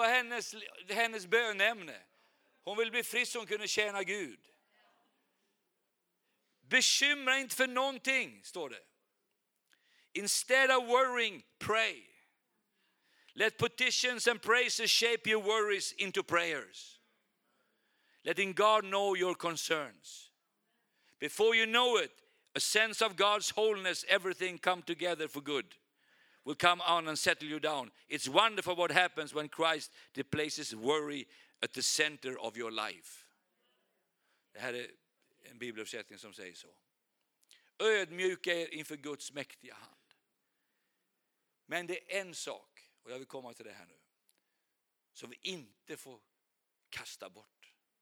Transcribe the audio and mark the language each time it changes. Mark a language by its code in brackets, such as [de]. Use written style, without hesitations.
[sv] Det var hennes bönämne. Hon ville bli frisk så hon kunde tjäna Gud. Bekymra inte för någonting, står det. [en] Instead of worrying, pray. Let petitions and praises shape your worries into prayers. Letting God know your concerns. Before you know it, a sense of God's wholeness, everything come together for good, will come on and settle you down. It's wonderful what happens when Christ displaces worry at the center of your life. [sv] Det här är en bibelöversättning som säger så. Ödmjuka er inför Guds mäktiga hand. Men det är en sak, och jag vill komma till det här nu, som vi inte får kasta bort.